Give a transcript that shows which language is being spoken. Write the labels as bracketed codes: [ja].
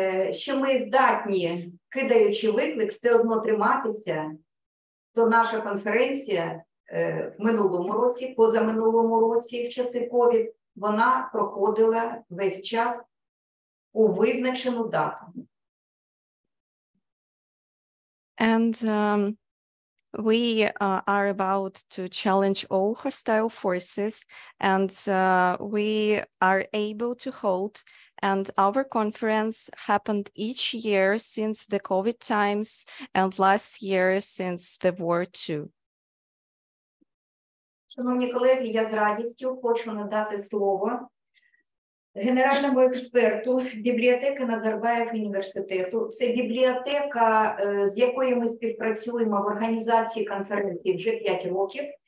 [uk] Що ми здатні, кидаючи виклик, все одно триматися, то наша конференція в минулому році, позаминулому році, в часи COVID, вона проходила весь час у визначену дату. [en] And we are about to challenge all hostile forces, and we are able to hold. And our conference happened each year since the COVID times and last year since the war too. [uk] Шановні колеги, я з радістю хочу надати слово генеральному експерту бібліотеки Назарбаєв університету. Це бібліотека, з якою ми співпрацюємо в організації конференції вже 5 років.